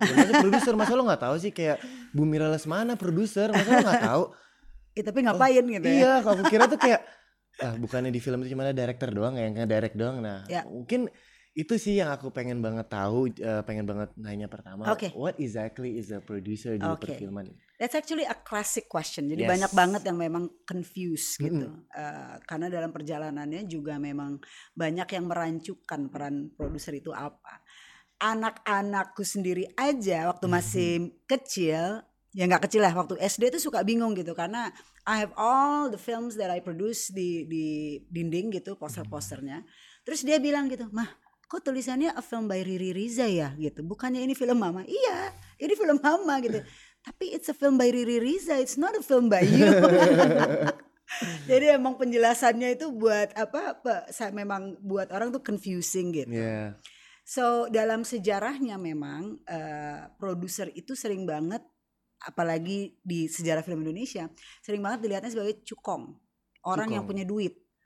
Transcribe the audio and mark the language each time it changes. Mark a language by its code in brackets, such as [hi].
[id] sebenernya produser, masa lo gak tahu sih kayak... Bu Mira Lesmana produser, masa lo gak tahu? Ya, tapi ngapain gitu ya? Iya, aku kira tuh kayak bukannya di film itu cuma ada director doang yang nge-direct doang. Nah, mungkin itu sih yang aku pengen banget tahu, pengen banget nanya pertama. [en] Okay. What exactly is a producer [id] di perfilman? [en] That's actually a classic question. [id] Jadi banyak banget yang memang confused gitu. Karena dalam perjalanannya juga memang banyak yang merancukkan peran produser itu apa. Anak-anakku sendiri aja waktu masih kecil, ya gak kecil lah, waktu SD itu suka bingung gitu. Karena [en] I have all the films that I produce [id] di dinding gitu, poster-posternya. Terus dia bilang gitu, "Mah, kok tulisannya [en] a film by Riri Riza [id] ya?" gitu. "Bukannya ini film mama?" "Iya, ini film mama," gitu. "Tapi [en] it's a film by Riri Riza, it's not a film by you." [id] Jadi emang penjelasannya itu buat apa, saya memang buat orang tuh confusing gitu. So dalam sejarahnya memang produser itu sering banget, apalagi di sejarah film Indonesia, sering banget dilihatnya sebagai cukong. Orang yang punya duit.